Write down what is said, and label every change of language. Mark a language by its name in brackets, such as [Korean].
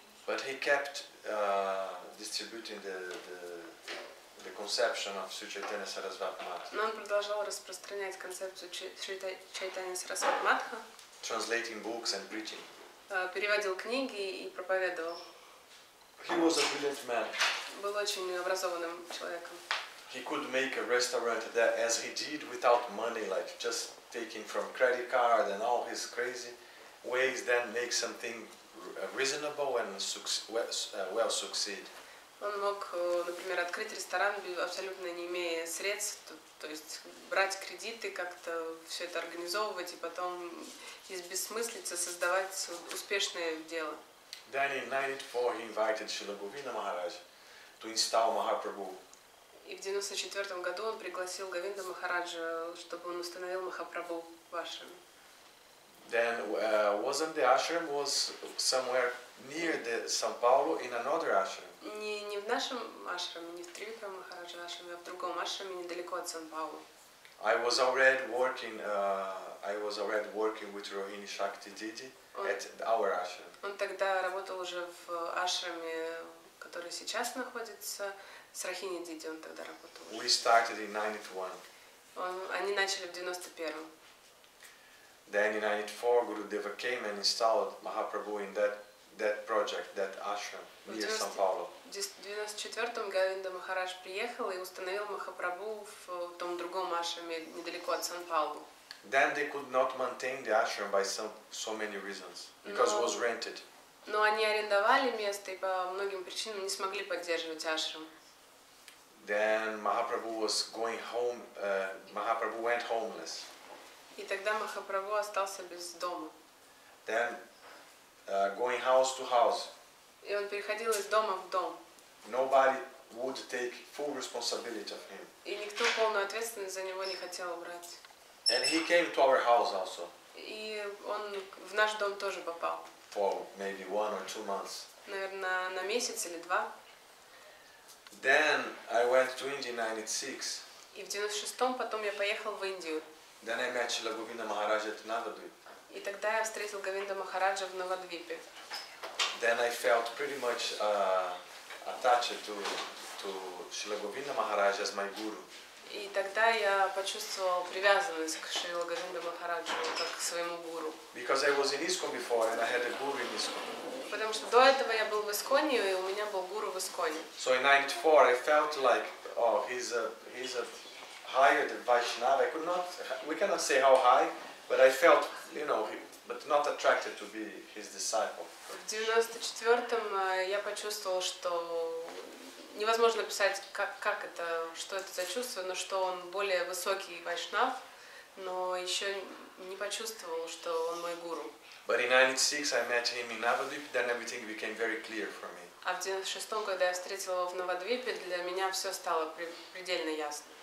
[English] But he kept distributing the conception of Sri Chaitanya Sarasvati Matha. [Russian] Но он продолжал распространять концепцию Шри Чайтанья Сарасвати Матха. [English] Translating books and preaching. [Russian] Переводил книги и проповедовал. [English] He was a brilliant man. [Russian] Был очень образованным человеком. [English] He could make a restaurant there as he did without money, like just taking from credit card and all his crazy ways, then make something reasonable and well succeed. [Russian] Он мог, например, открыть ресторан абсолютно не имея средств, то есть брать кредиты, как-то все это организовывать и потом из бессмыслица создавать успешное дело. [English] Then in 1994 he invited Srila Govinda Maharaj to install Mahaprabhu. [Russian] И в 1994 году он пригласил Говинда Махараджа, чтобы он установил Махапрабху в ашраме. [English] Then wasn't the ashram was somewhere near the São Paulo in another ashram? [Russian] Не в нашем ашраме, не в Тривикрам Махарадж ашраме, а в другом ашраме недалеко от Сан-Паулу. [English] I was already working with Rohini Shakti Didi at our ashram. [Russian] Он тогда работал уже в ашраме, который сейчас находится. С Рахини Диди он тогда работал. [English] We started in 91. [Russian] Они начали в 91. [English] Then in 94 Gurudev came and installed Mahaprabhu in that project, that ashram near São Paulo. [Russian] В 94 Говинда Махарадж приехал и установил Махапрабху в том другом ашраме недалеко от Сан-Паулу. [English] Then they could not maintain the ashram by so many reasons because it was rented. [Russian] Но они арендовали место и по многим причинам не смогли поддерживать ашрам. [English] Then Mahaprabhu was going home. Mahaprabhu went homeless. [Russian] И тогда Махапрабху остался без дома. [English] Then going house to house. [Russian] И он переходил из дома в дом. [English] Nobody would take full responsibility of him. [Russian] И никто полную ответственность за него не хотел брать. [English] And he came to our house also. [Russian] И он в наш дом тоже попал. [English] For maybe 1 or 2 months. [Russian] Наверное, на месяц или два. [English] Then I went to India in 96. [Russian] И в 96-м потом я поехал в Индию. [English] Then I met Srila Govinda Maharaj at Navadvip. [Russian] И тогда я встретил Говинда Махараджа в Навадвипе. [English] Then I felt pretty much attached to Srila Govinda Maharaj as my guru. [Russian] И тогда я почувствовал привязанность к Шрила Говинда Махараджу как к своему гуру. [English] Because I was in ISKCON before and I had a guru in ISKCON. [Russian] Потому что до этого я был в Исконе и у меня был гуру в Исконе. [English] So in 94 I felt like, oh, he's a higher than Vaishnava. I could not, we cannot say how high, but I felt, you know, but not attracted to be his disciple. [Russian] В 94 я почувствовал, что невозможно писать, как это, что это за чувство, но что он более высокий Вайшнав, но еще не почувствовал, что он мой гуру. [English] But in 96 I met him in Navadvip, then everything became very clear for me. [Russian] А в 96-м, когда я встретил его в Навадвипе, для меня все стало предельно ясно.